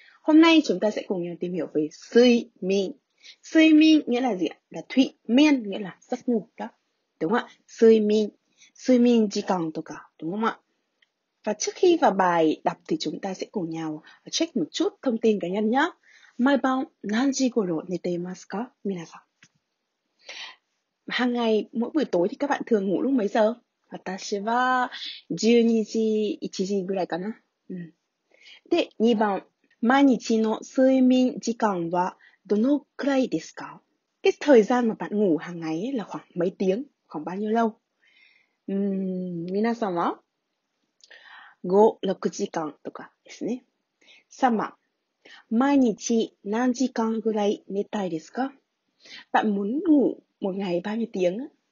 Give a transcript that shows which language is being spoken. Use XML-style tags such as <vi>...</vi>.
<vi>Hôm nay chúng ta sẽ cùng nhau tìm hiểu về Sumi. Sumi nghĩa là gì ạ? Là thụy miên, nghĩa là giấc ngủ đó. Đúng không ạ? Sumi.</vi> <ja>Sumi jikan to ka,</ja> <vi>đúng không ạ? Và trước khi vào bài đọc thì chúng ta sẽ cùng nhau check một chút thông tin cá nhân nhé.</vi> <ja>毎晩何時頃寝ていますか皆さん。</ja> <vi>Hàng ngày, mỗi buổi tối thì các bạn thường ngủ lúc mấy giờ?</vi> <ja>私は12時、1時ぐらいかな。で、2番。毎日の睡眠時間はどのくらいですか</ja> <vi>Cái thời gian mà bạn ngủ hàng ngày là khoảng mấy tiếng, khoảng bao nhiêu lâu?</vi> <ja>皆さんは5、6時間とかですね。 3番。毎日何時間ぐらい寝たいですか</ja> <vi>Bạn muốn ngủ một ngày bao nhiêu tiếng?</vi>